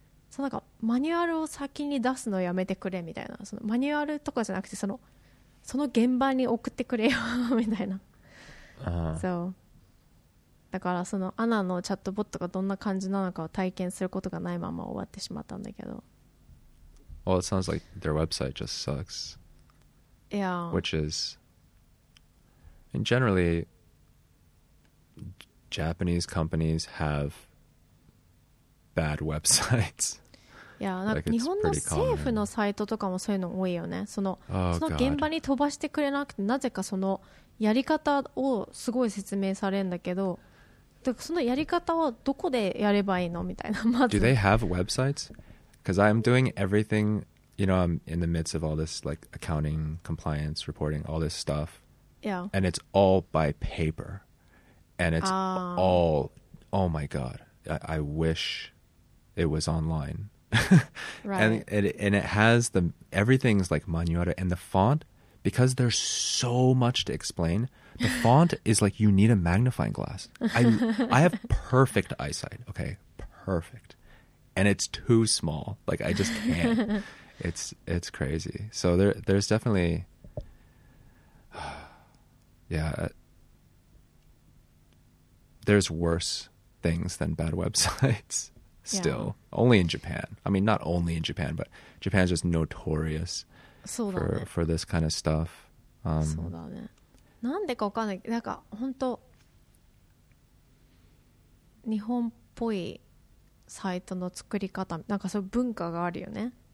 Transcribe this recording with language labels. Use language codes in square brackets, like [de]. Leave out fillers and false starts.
[ja] そのなんかマニュアルを先に出すのやめてくれみたいなそのマニュアルとかじゃなくてその現場に送ってくれよみたいなそうだからそのアナのチャットボットがどんな感じなのかを体験することがないまま終わってしまったんだけど [en] Well, it sounds like their website just sucks Yeah Which is And generally Japanese companies have bad websites [ja] Yeah, なんか日本の政府のサイトとかもそういうの多いよね。その、その現場に飛ばしてくれなくて、なぜかそのやり方をすごい説明されるんだけど、だからそのやり方はどこでやればいいのみたいな。 [en] Do they have websites? Because I'm doing everything, you know, I'm in the midst of all this like accounting, compliance, reporting, all this stuff. Yeah. And it's all by paper. And it's all, oh my God, I wish it was online. Right. And it has the, everything's like manuara, and the font, because there's so much to explain, the font is like you need a magnifying glass. I have perfect eyesight, okay? Perfect. And it's too small. Like, I just can't. It's crazy. So there's definitely, yeah, there's worse things than bad websites. Still, yeah. Only in Japan. I mean, not only in Japan, but Japan is just notorious for this kind of stuff. [ja] そうだね。なんでかわかんない。なんか本当日本っぽいサイトの作り方、なんかそういう文化があるよね。